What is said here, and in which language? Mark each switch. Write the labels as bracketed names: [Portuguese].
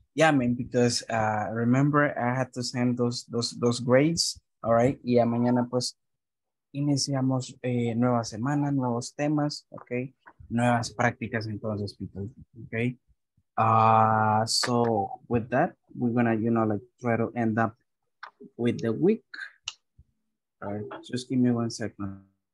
[English] Yeah, man, because remember I had to send those grades, all right? [Spanish] Y a mañana pues iniciamos nueva semana, nuevos temas, okay? Nuevas prácticas entonces, people, okay? [English] So with that, we're gonna, you know, like try to end up with the week. All right, just give me 1 second.